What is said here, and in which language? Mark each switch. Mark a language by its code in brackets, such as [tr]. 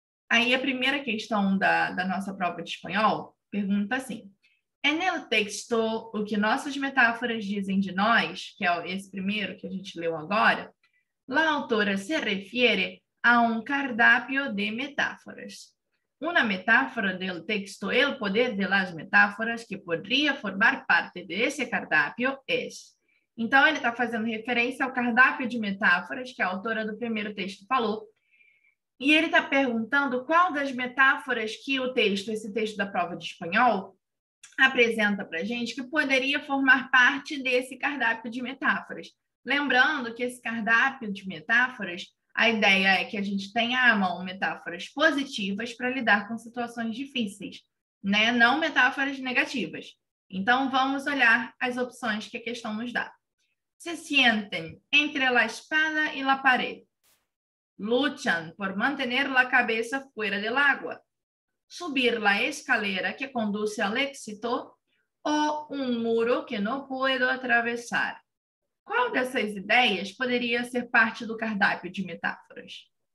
[pt] Aí a primeira questão da nossa prova de espanhol pergunta assim: [es] En el texto, [pt] o que nossas metáforas dizem de nós, que é esse primeiro que a gente leu agora, [es] la autora se refiere a [pt] um cardápio de metáforas. [es] Una metáfora del texto El poder de las metáforas que podría formar parte de ese cardápio es. [pt] Então, ele está fazendo referência ao cardápio de metáforas que a autora do primeiro texto falou. E ele está perguntando qual das metáforas que o texto, esse texto da prova de espanhol, apresenta para a gente que poderia formar parte desse cardápio de metáforas. Lembrando que esse cardápio de metáforas, a ideia é que a gente tenha à mão metáforas positivas para lidar com situações difíceis, né? Não metáforas negativas. Então, vamos olhar as opções que a questão nos dá. [es] Se sienten entre la espada y la pared. Luchan por mantener la cabeza fuera del agua. Subir la escalera que conduce al éxito o un muro que no puedo atravesar. [pt] Qual dessas ideias poderia ser parte do cardápio de metáforas?